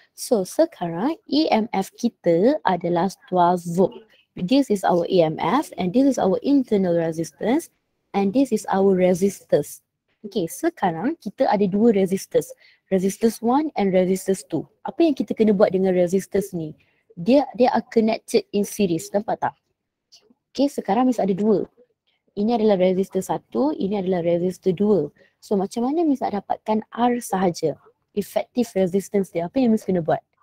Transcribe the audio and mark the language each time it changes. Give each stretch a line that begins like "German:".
Malay: So, sekarang EMF kita adalah 12 volt.
English: This is our EMF and this is our internal resistance and this is our resistors.
Malay: Okay, sekarang kita ada dua resistors. Resistors 1 and resistors 2. Apa yang kita kena buat dengan resistors ni? Dia
English: are connected in series,
Malay: nampak tak? Okay, sekarang Miss ada dua. ini adalah resistor 1, ini adalah resistor 2. So macam mana Miss nak dapatkan R sahaja? Effective resistance dia, apa yang Miss kena buat?